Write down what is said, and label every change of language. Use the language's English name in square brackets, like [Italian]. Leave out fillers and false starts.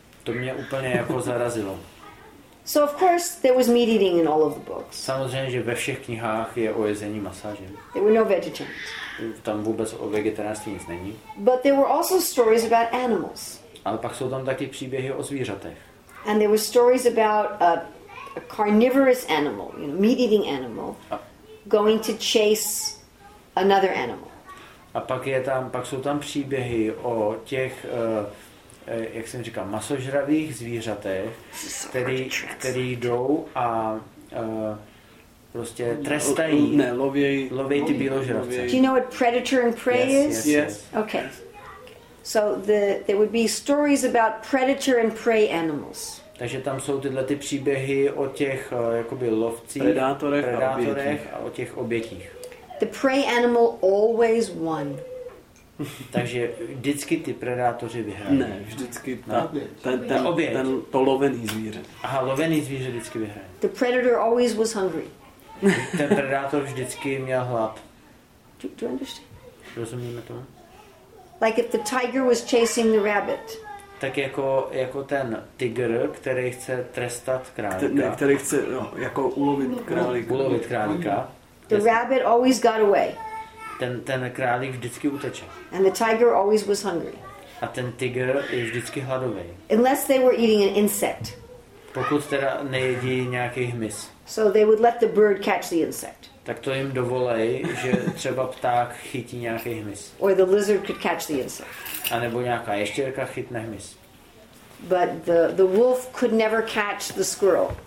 [Czech] To mě úplně jako zarazilo. [English] So of course there was meat eating in all of the books. [Czech] Samozřejmě, že ve všech knihách je o jezení masa, že? [English] There were no vegetarians. [Czech] Tam vůbec o vegetariánství nic není. [English] But there were also stories about animals. [Czech] Ale pak jsou tam taky příběhy o zvířatech. [English] And there were stories about a carnivorous animal, you know, meat-eating animal, going to chase another animal. [Czech] A pak jsou tam příběhy o těch jak jsem říkal, masožravých zvířatech, který jdou a prostě trestají, loví ty bíložravce. [English] Do you know what predator and prey is? Yes. Okay. So there would be stories about predator and prey animals. [Czech] Takže tam jsou tyhle ty příběhy o těch jakoby lovcích, predátorech a o těch obětích. [English] The prey animal always won. [Czech] Takže vždycky ty predátoři vyhrají. Ne, vždycky ten oběť. Ten to lovený zvíře. Aha, lovený zvíře vždycky vyhraje. [English] The predator always was hungry. [Czech] Ten predátor vždycky měl hlad. [English] Do you understand? [Czech] Rozumíme to? [English] Like if the tiger was chasing the rabbit. [Czech] Tak jako ten tygr, který chce trestat králíka. Který chce jako ulovit králíka. [English] The rabbit always got away. [Czech] Ten králík vždycky uteče. [English] And the tiger always was hungry. [Czech] A ten tygr je vždycky hladový. [English] Unless they were eating an insect. [Czech] Pokud teda nejedí nějaký hmyz. [English] So they would let the bird catch the insect. [Czech] Tak to jim dovolej, že třeba pták chytí nějaký hmyz. [English] Or the lizard could catch the insect. [Czech] A nebo nějaká ještěrka chytne hmyz. [English] But the wolf could never catch the squirrel.